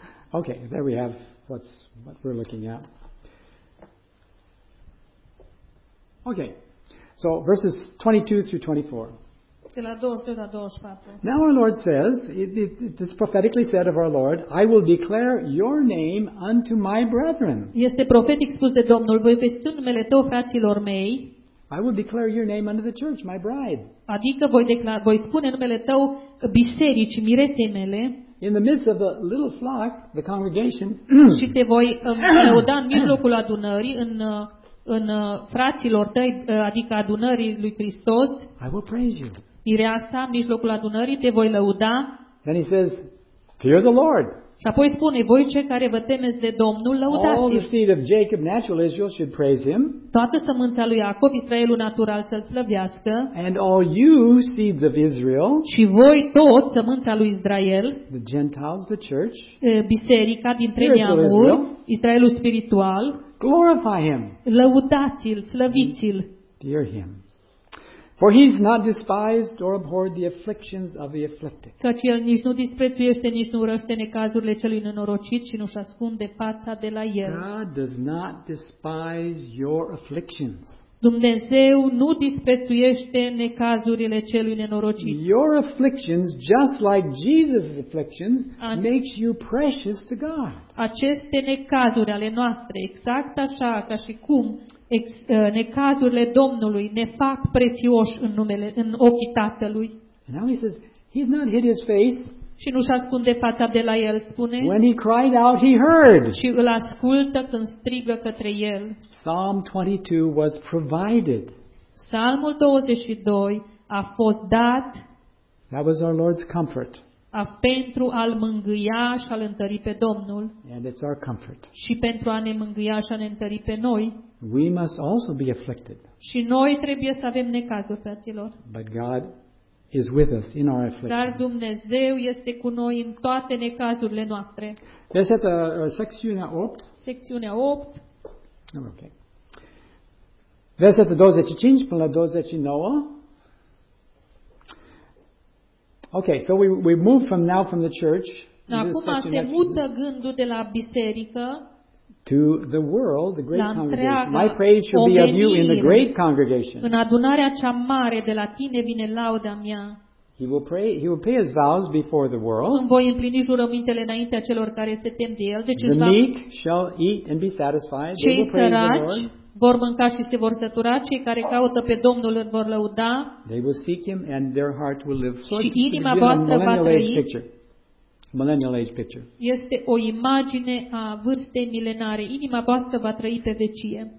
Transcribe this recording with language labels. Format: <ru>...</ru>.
<en>Okay, there we have what we're looking at. Okay, so verses 22-24. Now our Lord says, it's prophetically said of our Lord, I will declare your name unto my brethren.</en> <ro>Este profetic spus de Domnul, voi vesti numele tău fraților mei.</ro> <en>I will declare your name unto the church, my bride.</en> <ro>Adică voi spune numele tău bisericii, miresei mele.</ro> <en>In the midst of the little flock, the congregation.</en> <ro>Și te voi lăuda în mijlocul adunării, în fraților tăi, adică adunării lui Hristos.</ro> <en>I will praise you.</en> <ro>Mireasa, în mijlocul adunării, te voi lăuda.</ro> <en>Then he says, fear the Lord.</en> <ro>Și apoi spune, voi cei care vă temeți de Domnul, lăudați-L.</ro> <en>All the seed of Jacob, natural Israel, should praise him.</en> <ro>Toată sămânța lui Iacob, Israelul natural, să-L slăvească.</ro> <en>And all you, seeds of Israel,</en> <ro>și voi toți, sămânța lui Israel,</ro> <en>the Gentiles, the church,</en> <ro>biserica dintre neamuri, Israelul spiritual,</ro> <en>glorify him.</en> <ro>Lăudați-L, slăviți-L.</ro> <en>Fear him. For he's not despised or abhorred the afflictions of the afflicted.</en> <ro>Căci el nici nu disprețuiește, nici nu urăște necazurile celui nenorocit și nu își ascunde fața de la el.</ro> <en>God does not despise your afflictions.</en> <ro>Dumnezeu nu disprețuiește necazurile celui nenorocit.</ro> <en>Your afflictions, just like Jesus' afflictions, makes you precious to God.</en> <ro>Aceste necazuri ale noastre, exact așa ca și cum necazurile Domnului ne fac prețioși în ochii Tatălui.</ro> <en>And now he says, he's not hid his face.</en> <ro>Și nu-și ascunde fața de la el, spune.</ro> <en>When he cried out, he heard.</en> <ro>Și îl ascultă când strigă către el.</ro> <en>Psalm 22 was provided.</en> <ro>Psalmul 22 a fost dat.</ro> <en>That was our Lord's comfort.</en> <ro>Pentru a-L mângâia și a-L întări pe Domnul.</ro> <en>And it's our comfort.</en> <ro>Și pentru a ne mângâia și a ne întări pe noi.</ro> <en>We must also be afflicted.</en> <ro>Și noi trebuie să avem necazuri, fraților.</ro> <en>But God is with us in our affliction.</en> <ro>Dar Dumnezeu este cu noi în toate necazurile noastre. Versetul, secțiunea 8. Secțiunea 8. Okay. Versetul 25 până la 29.</ro> <en>Okay, so we move from now from the church.</en> <ro>Acum se mută gândul de la biserică.</ro> <en>to the world, the great congregation. My praise shall be of you in the great congregation.</en> <ro>În adunarea cea mare de la tine vine lauda mea.</ro> <en>He will pray. He will pay his vows before the world.</en> <ro>Când voi împlini jurămintele înaintea celor care se tem de el, deci</ro> <en>the meek shall eat and be satisfied.</en> <ro>Cei</ro> <en>they will praise</en> <ro>săraci,</ro> <en>the Lord.</en> <ro>Vor mânca și se vor sătura, cei care caută pe Domnul îl vor lăuda.</ro> <en>They will seek him and their heart will live.</en> <ro>So și inima voastră va trăi.</ro> <en>Millennial age picture.</en> <ro>Este o imagine a vârstei milenare. Inima voastră va trăi pe vecie.</ro>